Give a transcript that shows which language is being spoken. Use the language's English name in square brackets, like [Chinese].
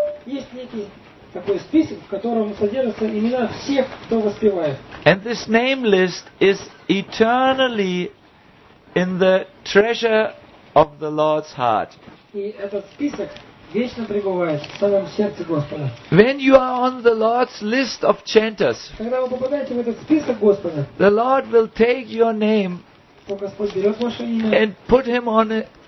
[Russian] Есть некий такой список, в котором содержатся имена всех, кто воспевает. [English] And this name list is eternally in the treasure of the Lord's heart. [Russian] И этот список вечно пребывает в самом сердце Господа. [English] When you are on the Lord's list of chanters, [Russian] когда вы попадаете в этот список Господа, [English] the Lord will take your name and put him on it.